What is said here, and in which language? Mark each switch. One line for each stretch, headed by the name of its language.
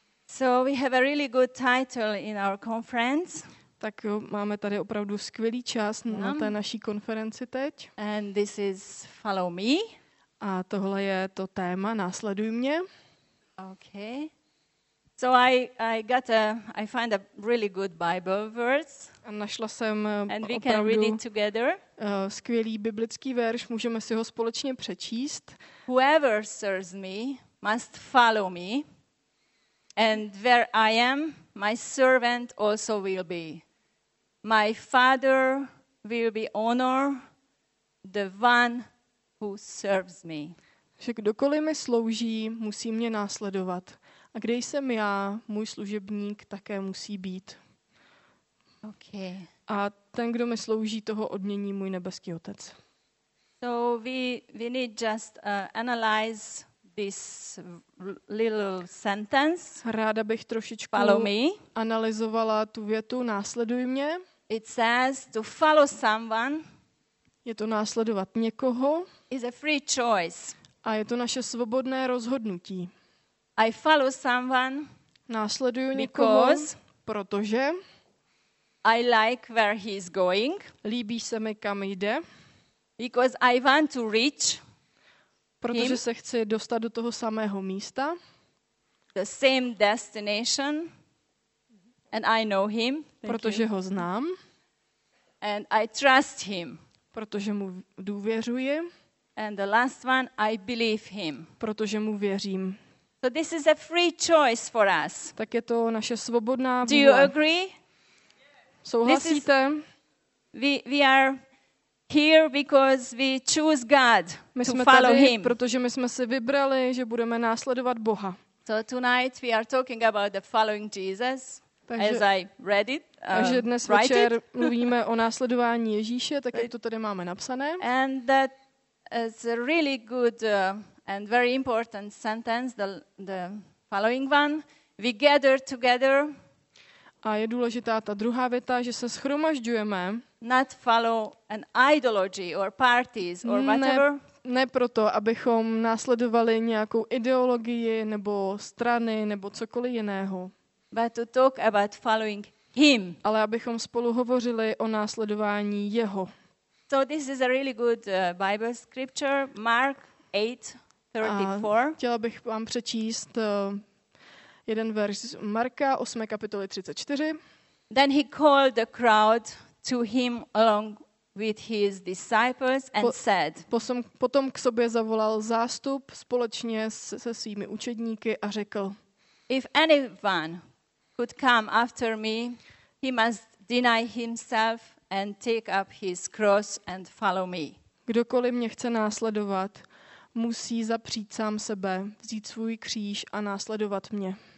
English: So we have a really good title in our conference.
Czech: Tak jo, máme tady opravdu skvělý čas na té naší konferenci teď.
English: And this is follow me.
Czech: A tohle je to téma následuj mě.
English: Okay. So I find a really good Bible verse.
Czech: A našla jsem
English: and we can read it together.
Czech: Skvělý biblický verš, můžeme si ho společně přečíst.
English: Whoever serves me must follow me. And where I am, my servant also will be. My father will be honored, the one who serves me.
Czech: Že kdokoliv mi slouží, musí mě následovat. A kde jsem já, můj služebník také musí být.
English: Okay.
Czech: A ten, kdo mi slouží, toho odmění můj nebeský otec.
English: So we need just analyze this little sentence.
Czech: Ráda bych trošičku analyzovala tu větu následuj mě.
English: It says to follow someone.
Czech: Je to následovat někoho.
English: Is a free choice.
Czech: A je to naše svobodné rozhodnutí.
English: I follow someone.
Czech: Následuju někoho, protože
English: I like where he is going.
Czech: Líbí se mi, kam jde.
English: Because I want to reach.
Czech: Protože se chci dostat do toho samého místa.
English: The same destination. And I know him.
Czech: Protože ho znám.
English: And I trust him.
Czech: Protože mu důvěřuji.
English: And the last one, I believe him.
Czech: Protože mu věřím.
English: So this is a free choice for us.
Czech: Tak je to naše svobodná vůle.
English: Do you agree?
Czech: Souhlasíte?
English: We are... Here because we choose God my to follow
Czech: tady,
English: him.
Czech: Protože my jsme si vybrali, že budeme následovat Boha.
English: So tonight we are talking about the following Jesus, takže, as I read it.
Czech: Takže dnes večer mluvíme o následování Ježíše, tak jak to tady máme napsané.
English: And that is a really good and very important sentence, the following one. We gather together.
Czech: A je důležitá ta druhá věta, že se shromažďujeme.
English: Not follow an ideology or parties or whatever.
Czech: Ne proto, abychom následovali nějakou ideologii nebo strany nebo cokoliv jiného.
English: But to talk about following him.
Czech: Ale abychom spolu hovořili o následování jeho.
English: So this is a really good Bible scripture, Mark 8:34.
Czech: Chtěla bych vám přečíst jeden verš z Marka 8. kapitoly 34.
English: Then he called the crowd to him along with his disciples and said.
Czech: Potom k sobě zavolal zástup společně se svými učedníky a řekl.
English: If anyone could come after me, he must deny himself and take up his cross and follow me.
Czech: Kdokoliv mě chce následovat, musí zapřít sám sebe, vzít svůj kříž a následovat mě.